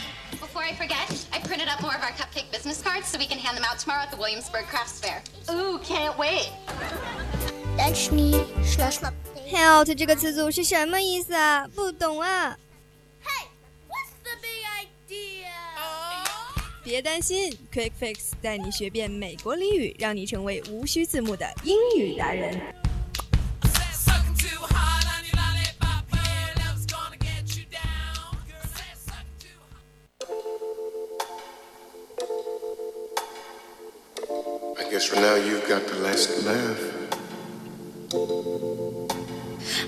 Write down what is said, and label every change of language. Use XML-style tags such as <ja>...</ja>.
<en>Before I forget, I printed up more of our cupcake business cards so we can hand them out tomorrow at the Williamsburg Crafts Fair. Ooh, can't wait. That's me.</en> <zh>Help 这个词组是什么意思啊？不懂啊。别担心 ，Quick Fix 带你学遍美国俚语，让你成为无需字幕的英语达人。</zh> <en>I guess for now you've got the last laugh.</en>